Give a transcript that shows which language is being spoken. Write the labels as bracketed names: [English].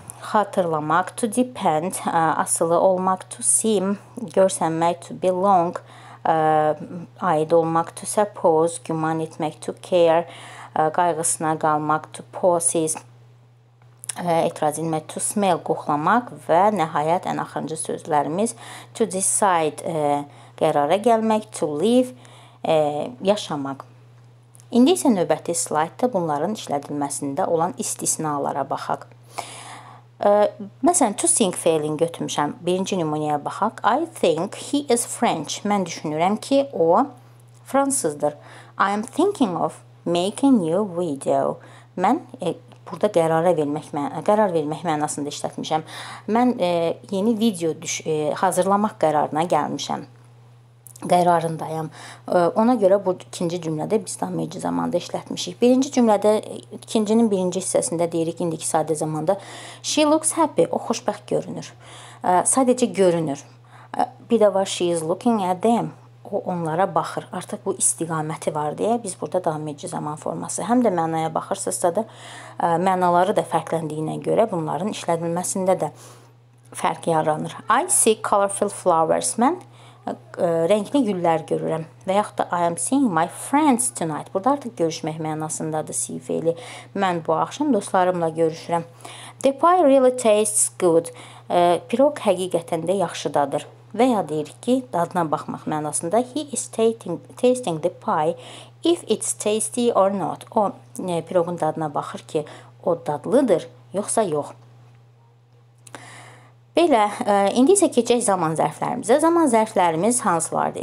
[Azerbaijani] xatırlamaq, to depend, asılı olmaq, to seem, görsənmək, to belong, aid olmaq, to suppose, güman etmək, to care, qayğısına qalmaq, to possess, etiraz etmək, to smell, qoxlamaq və nəhayət ən axırıncı sözlərimiz to decide, qərara gəlmək, to live, yaşamaq. İndi isə növbəti slaytda bunların işlədilməsində olan istisnalara baxaq. Məsələn, to think feilini götürmüşəm. Birinci nümunəyə baxaq. [English] I think he is French. [Azerbaijani] Mən düşünürəm ki, o fransızdır. [English] I am thinking of making a new video. [Azerbaijani] Mən burada qərar vermək mənasında işlətmişəm. Mən yeni video hazırlamaq qərarına gəlmişəm. Qərarındayım. Ona görə bu ikinci cümlədə biz davamedici zamanda işlətmişik. Birinci cümlədə, ikincinin birinci hissəsində deyirik indiki sadə zamanda. [English] She looks happy. [Azerbaijani] O xoşbəxt görünür. Sadəcə görünür. Bir də var, [English] she is looking at them. [Azerbaijani] O onlara baxır. Artıq bu istiqaməti var deyə biz burada davamedici zaman forması. Həm də mənaya baxırsa da mənaları da fərqləndiyinə görə bunların işlədilməsində də fərq yaranır. [English] I see colorful flowers. [Azerbaijani] Mən rəngli güllər görürəm və yaxud da [English] I am seeing my friends tonight. [Azerbaijani] Burada artıq görüşmək mənasındadır sifəli. Mən bu axşam dostlarımla görüşürəm. [English] The pie really tastes good. [Azerbaijani] Piroq həqiqətən də yaxşıdadır. Və ya deyirik ki, dadına baxmaq mənasında [English] he is tasting the pie if it's tasty or not. [Azerbaijani] O, piroqun dadına baxır ki, o dadlıdır, yoxsa yox. Belə, indi isə keçək zaman zərflərimizə. Zaman zərflərimiz hansılardır?